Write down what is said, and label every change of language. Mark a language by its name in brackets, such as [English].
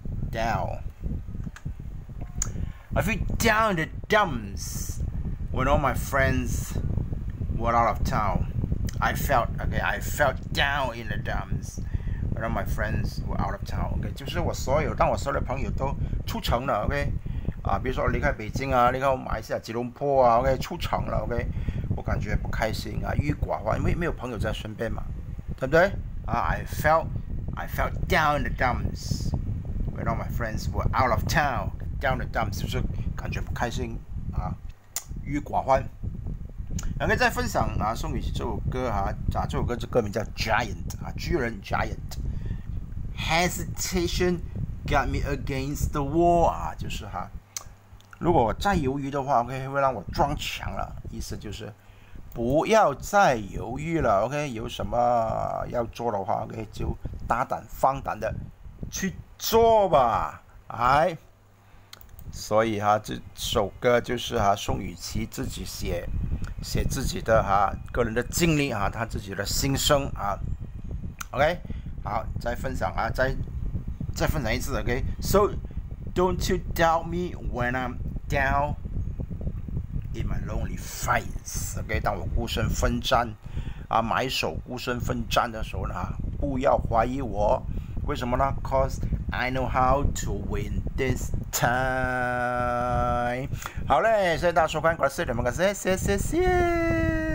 [English] Down, okay, down. I feel down in the dumps when all my friends were out of town. I felt down in the dumps when all my friends were out of town. [Chinese] Okay, 就是当我所有的朋友都出城了。Okay, 比如说离开北京啊，离开马来西亚吉隆坡啊。 Okay, 出城了。 Okay, 我感觉不开心啊，郁郁寡欢，因为没有朋友在身边嘛，对不对？ [English] I felt down in the dumps when all my friends were out of town. Down the dumps [Chinese] 是不是感觉不开心啊？郁郁寡欢。两个再分享啊，宋雨琦这首歌哈，这首歌这歌名叫 Giant 啊，巨人 Giant。 [English] Hesitation got me against the wall [Chinese] 啊，就是哈，如果我再犹豫的话 ，OK 会让我撞墙了。意思就是不要再犹豫了 ，OK 有什么要做的话 ，OK 就。大胆放胆的去做吧，所以哈，这首歌就是哈宋雨琦自己写自己的哈个人的经历哈，他自己的心声啊。 OK， 好，再分享啊，再分享一次。 [English] OK， So don't you doubt me when I'm down in my lonely face。 [Chinese] OK， 当我孤身奋战啊，埋首孤身奋战的时候呢。不要怀疑我，为什么呢 ？ [English] Cause I know how to win this time。 [Chinese] 好嘞，谢谢大家收看，感谢你们，感谢。